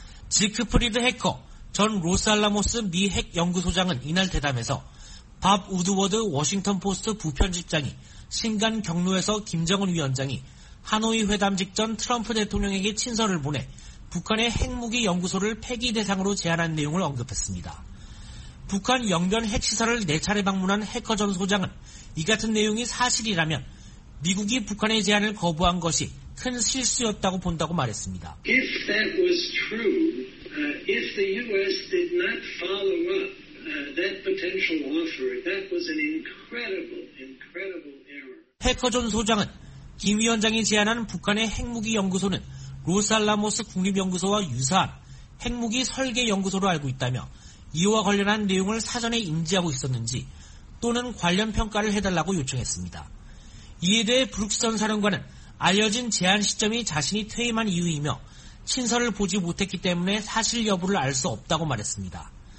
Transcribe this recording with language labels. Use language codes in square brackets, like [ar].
[ko] 지크프리드 해커 전 로스알라모스 미 핵연구소장은 이날 대담에서 밥 우드워드 워싱턴포스트 부편집장이 신간 경로에서 김정은 위원장이 하노이 회담 직전 트럼프 대통령에게 친서를 보내 북한의 핵무기 연구소를 폐기 대상으로 제안한 내용을 언급했습니다. 북한 영변 핵시설을 4차례 방문한 해커 전 소장은 이 같은 내용이 사실이라면 미국이 북한의 제안을 거부한 것이 큰 실수였다고 본다고 말했습니다. [en] If that was true, if the U.S. did not follow up that potential offer, that was an incredible error. [ko] 해커 전 소장은 김 위원장이 제안한 북한의 핵무기 연구소는 로스알라모스 국립연구소와 유사한 핵무기 설계 연구소로 알고 있다며 이와 관련한 내용을 사전에 인지하고 있었는지 또는 관련 평가를 해달라고 요청했습니다. 이에 대해 브룩스 전 사령관은 알려진 제안 시점이 자신이 퇴임한 이유이며 친서를 보지 못했기 때문에 사실 여부를 알 수 없다고 말했습니다.